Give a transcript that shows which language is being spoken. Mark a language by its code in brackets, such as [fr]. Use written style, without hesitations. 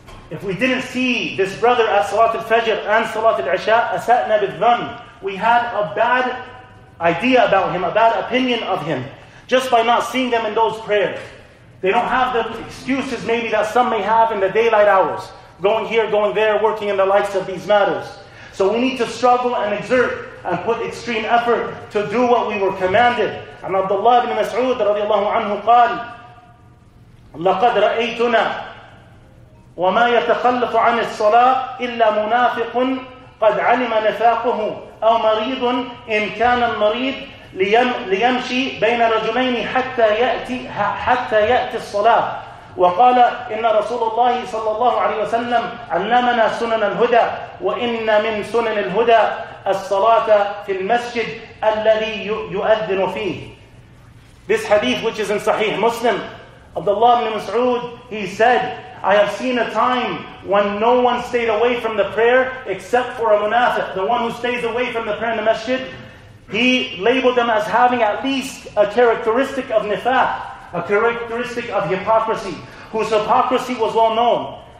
[en] If we didn't see this brother at Salat al-Fajr and Salat al-Isha, asa'na bidhan, we had a bad idea about him, a bad opinion of him, just by not seeing them in those prayers. They don't have the excuses maybe that some may have in the daylight hours, going here, going there, working in the likes of these matters. So we need to struggle and exert and put extreme effort to do what we were commanded. And Abdullah ibn Mas'ud radiallahu anhu qal, [ar] لَقَدْ رَأَيْتُنَا وَمَا يَتَخَلَّفُ عَنِ الصَّلَاةِ إِلَّا مُنَافِقٌ قَدْ عَلِمَ نِفَاقُهُ أَوْ مَرِيضٌ إِنْ كَانَ الْمَرِيدُ لِيَمْشِي بَيْنَ رَجُلَيْنِ حَتَّى يَأْتِ الصَّلَاةِ وقال إن رسول الله صلى الله عليه وسلم علمنا سنن الهدى وإن من سنن الهدى الصلاة في المسجد الذي يؤذن فيه. [en] This hadith, which is in Sahih Muslim, Abdullah ibn Mas'ud, he said, I have seen a time when no one stayed away from the prayer except for a munafiq, the one who stays away from the prayer in the masjid. He labeled them as having at least a characteristic of nifaq, a characteristic of hypocrisy, whose hypocrisy was well known.